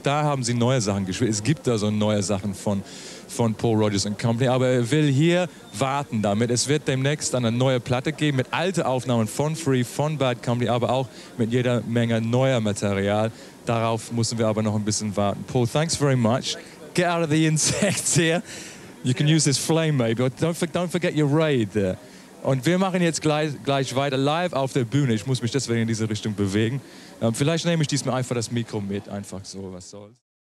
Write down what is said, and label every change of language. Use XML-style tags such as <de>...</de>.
<de>Da haben sie neue Sachen gespielt. Es gibt da so neue Sachen von Paul Rodgers and Company. Aber er will hier warten damit. Es wird demnächst eine neue Platte geben mit alten Aufnahmen von Free, von Bad Company, aber auch mit jeder Menge neuer Material. Darauf müssen wir aber noch ein bisschen warten.</de> <en>Paul, thanks very much. Get out of the insects here. You can use this flame maybe. Don't forget your raid there.</en> <de>Und wir machen jetzt gleich weiter live auf der Bühne. Ich muss mich deswegen in diese Richtung bewegen. Vielleicht nehme ich diesmal einfach das Mikro mit. Einfach so, was soll's.</de>